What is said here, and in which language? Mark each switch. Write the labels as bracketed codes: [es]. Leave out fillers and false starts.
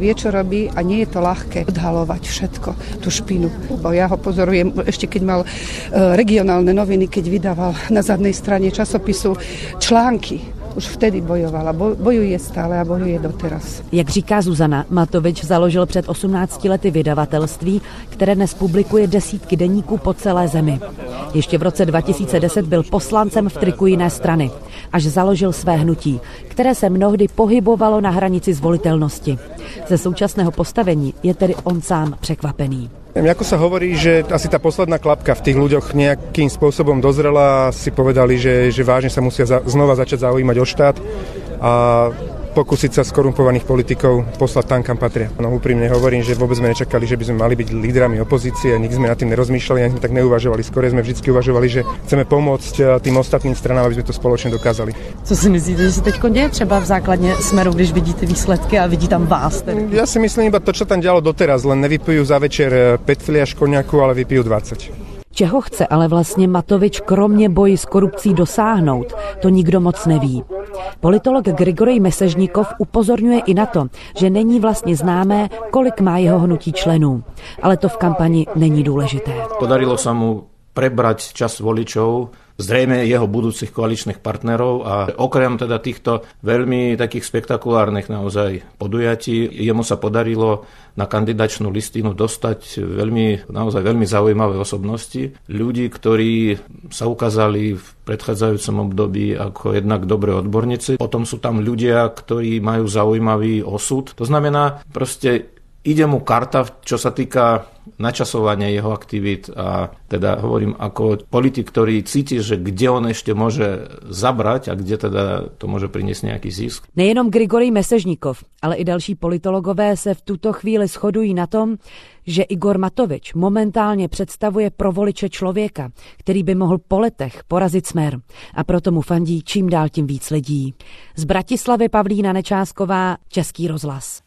[sk] Vie, čo robí a nie je to ľahké odhalovať všetko, tú špinu. Bo ja ho pozorujem, ešte keď mal regionálne noviny, keď vydával na zadnej strane časopisu články. Už vtedy bojovala, bojuje stále a bojuje doteraz. [cs] Jak říká Zuzana, Matovič založil před 18 lety vydavatelství, které dnes publikuje desítky deníků po celé zemi. Ještě v roce 2010 byl poslancem v triku jiné strany, až založil své hnutí, které se mnohdy pohybovalo na hranici zvolitelnosti. Ze současného postavení je tedy on sám překvapený. [sk] Ako sa hovorí, že asi tá posledná klapka v tých ľuďoch nejakým spôsobom dozrela a si povedali, že vážne sa musia znova začať zaujímať o štát a pokúsiť sa skorumpovaných politikov poslať tam, kam patria. No úprimne hovorím, že vôbec sme nečakali, že by sme mali byť lídrami opozície, nikdy sme nad tým nerozmýšľali, ani sme tak neuvažovali. Skôr sme vždy uvažovali, že chceme pomôcť tým ostatným stranám, aby sme to spoločne dokázali. [cs] Co si myslíte, že sa teďko deje třeba v základne Smeru, když vidíte výsledky a vidí tam vás? Tedy? [sk] Ja si myslím iba to, čo tam dialo doteraz, len nevypijú za večer 5 fliaš koniaku, ale vypijú 20. [cs] Čeho chce ale vlastně Matovič kromě boji s korupcí dosáhnout, to nikdo moc neví. Politolog Grigorij Mesežnikov upozorňuje i na to, že není vlastně známé, kolik má jeho hnutí členů. Ale to v kampani není důležité. [sk] Podarilo se mu prebrať čas voličov, zrejme jeho budúcich koaličných partnerov a okrem teda týchto veľmi takých spektakulárnych naozaj podujatí, jemu sa podarilo na kandidačnú listinu dostať veľmi, naozaj veľmi zaujímavé osobnosti. Ľudí, ktorí sa ukázali v predchádzajúcom období ako jednak dobré odborníci. Potom sú tam ľudia, ktorí majú zaujímavý osud. To znamená, proste ide mu karta, čo sa týka načasovanie jeho aktivít a teda hovorím ako politik, ktorý cíti, že kde on ešte môže zabrať a kde teda to môže priniesť nejaký zisk. [cs] Nejenom Grigorij Mesežnikov, ale i další politologové se v tuto chvíli shodují na tom, že Igor Matovič momentálně představuje pro voliče člověka, který by mohl po letech porazit Smer, a proto mu fandí čím dál tím víc lidí. Z Bratislavy Pavlína Nečásková, Český rozhlas.